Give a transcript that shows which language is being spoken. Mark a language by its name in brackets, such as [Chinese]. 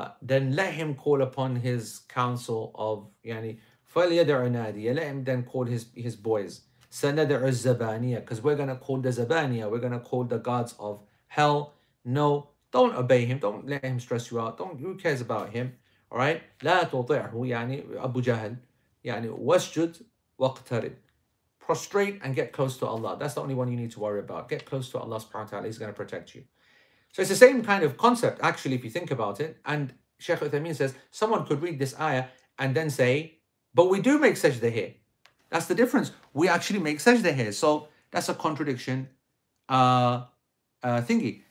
[English] Then let him call upon his council of yani [Arabic] فَلْيَدْعُ نَادِيَ. [English] Let him then call his boys. [Arabic] سَنَدْعُ الزَّبَانِيَ. [English] Because we're going to call the Zabaniya. We're going to call the gods of hell. No, don't obey him. Don't let him stress you out. Don't, who cares about him? All right? [Arabic] لَا تُطِعْهُ يعني أبو جهل يعني وَسْجُدْ وَاقْتَرِبْ. [English] Prostrate and get close to Allah. That's the only one you need to worry about. Get close to Allah subhanahu wa ta'ala. He's going to protect you. So it's the same kind of concept, actually, if you think about it. And Sheikh Uthaymeen says, someone could read this ayah and then say, but we do make sajda here. That's the difference. We actually make sajda here. So that's a contradiction thingy.